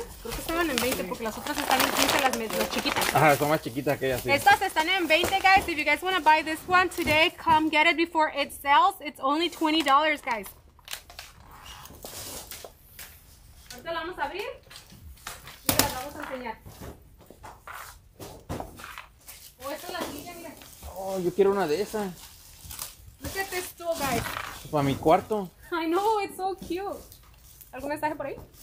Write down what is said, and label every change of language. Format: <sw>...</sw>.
<es>Creo que estaban en $20 porque las otras están en $15, las chiquitas. Ajá, son más chiquitas que ellas. Sí. Estas están en $20, guys.</es> <en>If you guys want to buy this one today, come get it before it sells. It's only $20, guys.</en> <es>Ahorita la vamos a abrir y las vamos a enseñar. Oh, esta es la silla, mira. Oh, yo quiero una de esas.</es> <en>Look at this stool, guys.</en> <es>Para mi cuarto.</es> <en>I know, it's so cute.</en> <es>¿Algún mensaje por ahí?</es>